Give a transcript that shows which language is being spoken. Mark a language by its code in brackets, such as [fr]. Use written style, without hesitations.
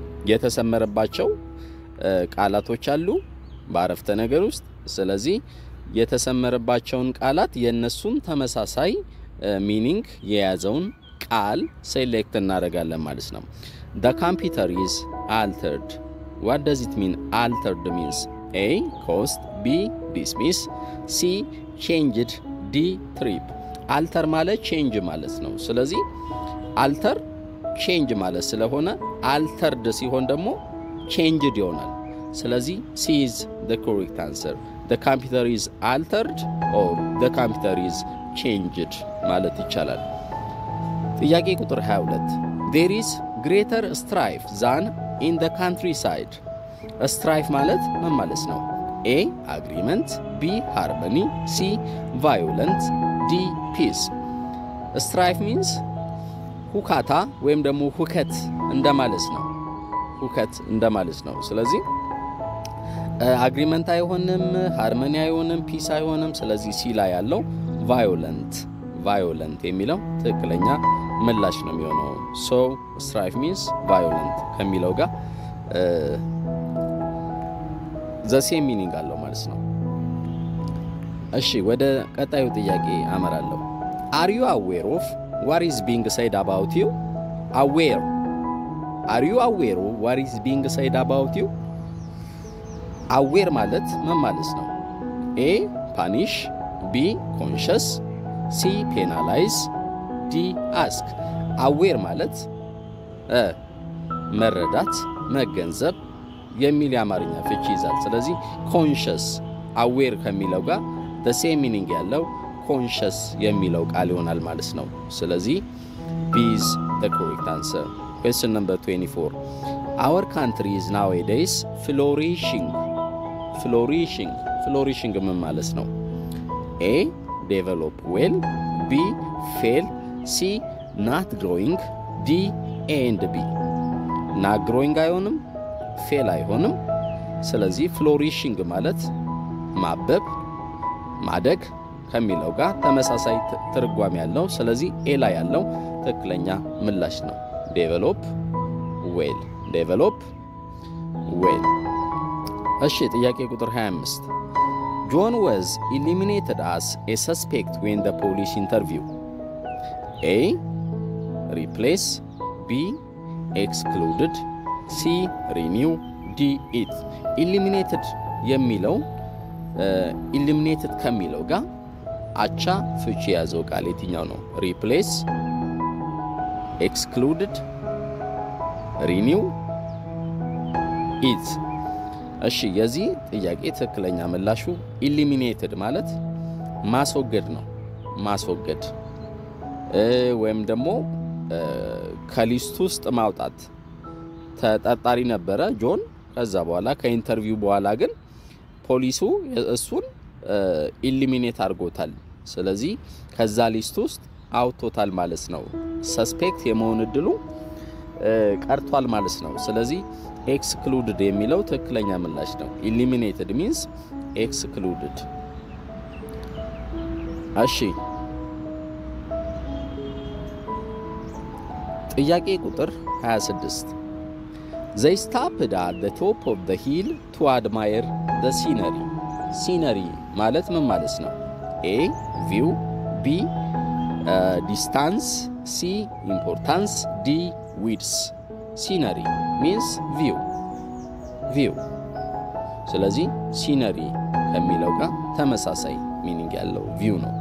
[am] የተሰመረባቸው ቃላቶች አሉ ባረፍተ ነገር ውስጥ ስለዚህ የተሰመረባቸውን ቃላት የነሱን ተመሳሳይ meaning የያዘውን ቃል select እናደርጋለን ማለት ነው [en] the computer is altered what does it mean altered means a caused b dismissed c changed d trip [am] alter ማለት change ማለት ነው ስለዚህ alter change ማለት ስለሆነ altered ሲሆን ደግሞ [en] changed [am] ይሆናል። ስለዚህ [en] C is the correct answer. The computer is altered or the computer is changed ማለት ይቻላል። [am] ጥያቄ ቁጥር 22 [en] There is greater strife than in the countryside. A strife [am] ማለት መማለስ ነው። [en] A agreement, B harmony, C violence, D peace. A strife means hukata [am] ወይም ደግሞ ሁከት እንደማለስ ነው። ሁከት እንደማለስ ነው። ስለዚህ agreement አይሆንም, harmony አይሆንም, peace አይሆንም. ስለዚህ C ላይ ያለው violent, violent የሚለው ትክክለኛ ምላሽ ነው የሚሆነው. [en] So strife means violent [am] ከሚለው ጋር ዘሴ ሚኒንግ አለው ማለት ነው። እሺ ወደ ቀጣዩ ጥያቄ አመራለሁ። [en] Are you aware of what is being said about you? Aware. Are you aware of what is being said about you? Aware [am] ማለት ምን ማለት ነው? [en] A punish, B conscious, C penalize, D ask. [am] Aware ማለት መረዳት መገንዘብ የሚል ያማርኛ ፍቺ ይዛል። ስለዚህ conscious aware ከሚለው ጋር [en] the same meaning [am] ያለው conscious የሚለው ቃል ይሆናል ማለት ነው። ስለዚህ [en] B is the correct answer. Question number 24. Our country is nowadays flourishing. Flourishing. [am] Flourishing ምን ማለት ነው? [en] A develop well, B fail, C not growing, D and B. Not growing [am] አይሆንም, [en] fail አይሆንም. [am] ስለዚህ flourishing ማለት ማበብ ማደግ ከሚለው ጋር ተመሳሳይ ትርጓሜ ያለው ስለዚህ A ላይ ያለው ትክክለኛ ምላሽ ነው. [en] Develop well. Develop well. [am] እሺ ጥያቄ ቁጥር 25 [en] John was eliminated as a suspect when the police interview. A replace, B excluded, C renew, D it. [am] Eliminated የሚለው eliminated ከሚለው ጋር አቻ ፍቺ ያዘው ቃል የትኛው ነው? [en] Replace, excluded, renew, it. [am] እሺ የዚህ ጥያቄ ትክክለኛ ምላሹ eliminated ማለት ማስወገድ ነው. ማስወገድ ወይም ደግሞ ከሊስቱ ውስጥ ማውጣት. ተጠርጣሪ ነበረ ጆን, ከዛ በኋላ ከኢንተርቪው በኋላ ግን ፖሊሱ እሱን eliminate አርጎታል. ስለዚህ ከዛ ሊስት ውስጥ አውቶታል ማለት ነው. suspect የመሆን እድሉ ቀርቷል ማለት ነው. ስለዚህ excluded የሚለው ትክክለኛ ምላሽ ነው. [en] eliminated means excluded. እሺ ጥያቄ ቁጥር 26 They stopped at the top of the hill to admire the scenery. Scenery ማለት ምን ማለት ነው? A view, B distance, C importance, D width. Scenery means view. View. [am] ስለዚህ scenery ከሚለው ጋር ተመሳሳይ meaning ያለው view ነው.